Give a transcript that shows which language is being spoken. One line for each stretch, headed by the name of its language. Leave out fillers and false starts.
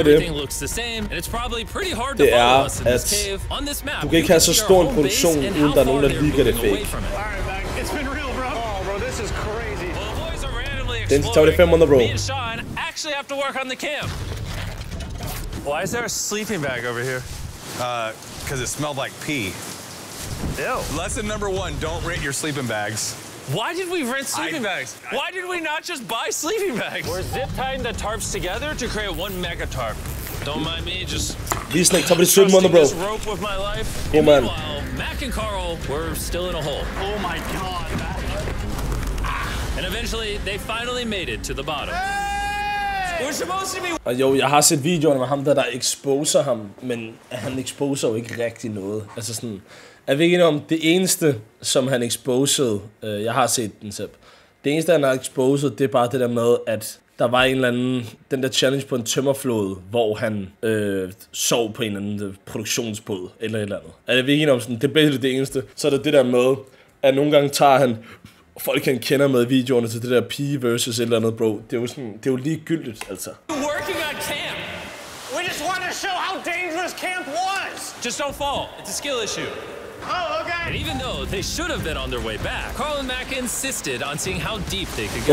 English: everything looks the same, and it's probably pretty hard to follow us in this cave. On this map,
Danish: du kan ikke have så stor en produktion, uden der er nogen, der ligger det fake.
English: Alright, it's been real, bro. Oh, bro, this is crazy. Well, the boys are randomly exploring. Then 25 on the road. Me and Sean actually have to work on the camp. Why is there a sleeping bag over here? Cause it smelled like pee. Ew. Lesson number one, don't rent your sleeping bags. Why did we rent sleeping bags? Why did we not just buy sleeping bags? We're zip tying the tarps together to create one mega tarp. Don't mind me, just... These snakes, somebody shoot them on the bro. This rope with my life. Oh man. Meanwhile, Mac and Carl were still in a hole. Oh my god. And eventually, they finally made it to the bottom. Hey!
Danish: Og jo, jeg har set videoerne med ham der exposer ham, men han exposer jo ikke rigtig noget. Altså sådan, er vi ikke enige om, det eneste, som han exposede, jeg har set den selv. Det eneste, han har exposet, det er bare det der med, at der var en eller anden, den der challenge på en tømmerflåde, hvor han sov på en eller anden produktionsbåd, eller et eller andet. Er vi ikke enige om sådan, det er basically det eneste. Så er det det der med, at nogle gange tager han... Folk kan kende med videoerne til det der pige versus et eller andet, bro. Det er jo sådan, det er jo ligegyldigt, altså.
English: We're working on camp. We just want to show how dangerous camp was. Just don't fall. It's a skill issue. Oh, okay. And even though they should have been on their way back, Carl and Mac insisted on seeing how deep they could go.